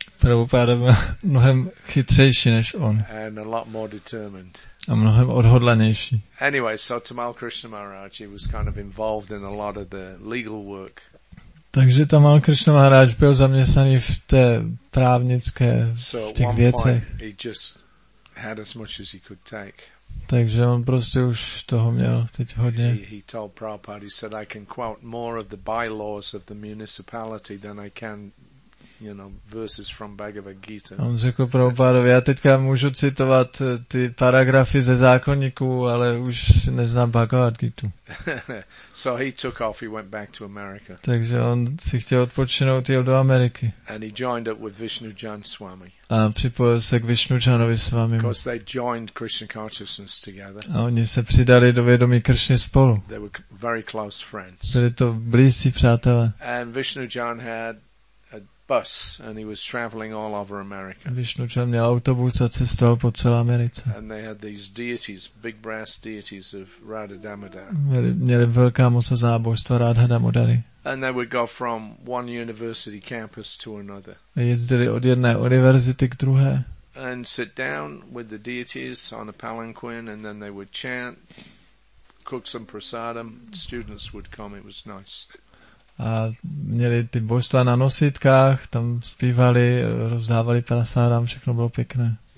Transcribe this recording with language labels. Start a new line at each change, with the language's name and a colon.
Czech: Prabhupada byl mnohem chytřejší než on.
English: And a lot more determined.
Czech: A mnohem odhodlanější.
English: Anyway, so Tamal Krishna Maharaj, he was kind of involved in a lot of the legal work.
Czech: Takže Tamal Krishna Maharaj byl zaměstnaný v té právnické, v těch věcech.
English: He just had as much as he could take.
Czech: Takže on prostě už toho měl teď hodně.
English: He told Prabhupada, he said, I can quote more of the bylaws of the municipality than I can, you know, verses from Bhagavad Gita.
Czech: On řekl Prabhupádovi, já teďka můžu citovat ty paragrafy ze zákonníků, ale už neznám Bhagavad Gita.
English: So he took off, he went back to America.
Czech: Takže on si chtěl odpočinout, jel do Ameriky.
English: And he joined up with Vishnujan Swami.
Czech: A připojil se k Vishnujanovi Swami.
English: Because they joined Krishna consciousness together.
Czech: A oni se přidali do vědomí Krishny spolu.
English: They were very close friends.
Czech: Byli to blízcí přátelé.
English: And Vishnujan had bus and he was traveling all over America.
Czech: Vishnujan měl autobus a cestoval po celé Americe.
English: And they had these deities, big brass deities of Radha Damodar.
Czech: Měli velká mocná zábožstva Radha Damodary.
English: And they would go from one university campus to another.
Czech: A jezdili od jedné univerzity k druhé.
English: And sit down with the deities on a palanquin and then they would chant, cook some prasadam, students would come, it was nice.
Czech: A měli ty božstva na nosítkách, tam zpívali, rozdávali prasádám, všechno bylo pěkné.